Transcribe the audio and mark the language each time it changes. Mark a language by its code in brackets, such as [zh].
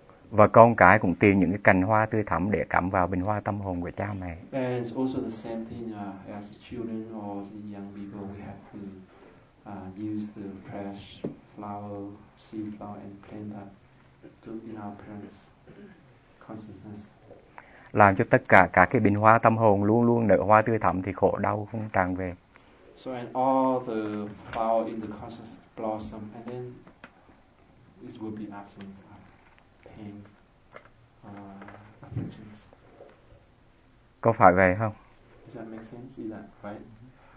[vi] Và con cái cũng tìm những cái cành hoa tươi thắm để cắm vào bình hoa tâm hồn của cha mẹ. [en] And it's also the same thing as the children or the young people, we have to use the fresh flower, seed flower and plant that to in our parents' consciousness. [vi] Làm cho tất cả các cái bình hoa tâm hồn luôn luôn nở hoa tươi thắm thì khổ đau không tràn về. [en] So and all the flower in the consciousness blossom and then this will be absence of pain afflictions. [vi] Có phải vậy không? [en] Does that make sense? Is that right? Mm-hmm.